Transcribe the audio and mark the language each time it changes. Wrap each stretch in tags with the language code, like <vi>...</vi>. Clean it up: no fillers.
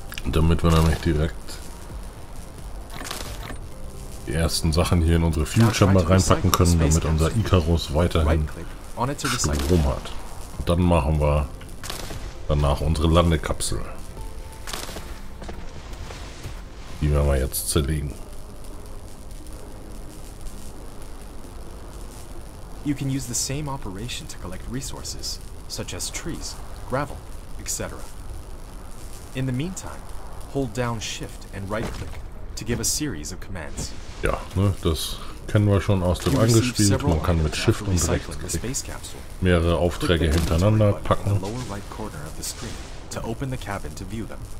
<de>Damit wir nämlich direkt die ersten Sachen hier in unsere Fuel Chamber reinpacken können, damit unser Icarus weiterhin Strom hat. Und dann machen wir danach unsere Landekapsel. Die werden wir jetzt zerlegen.</de> <en>You can use the same operation to collect resources, such as trees, gravel, etc. In the meantime, hold down Shift and right-click to give a series of commands.</en> <de>Ja, ne, das kennen wir schon aus dem Angespielt. Man kann mit Shift und Rechtsklick mehrere Aufträge hintereinander packen.</de> <en>Lower right corner of the screen to open the cabin to view them.</en>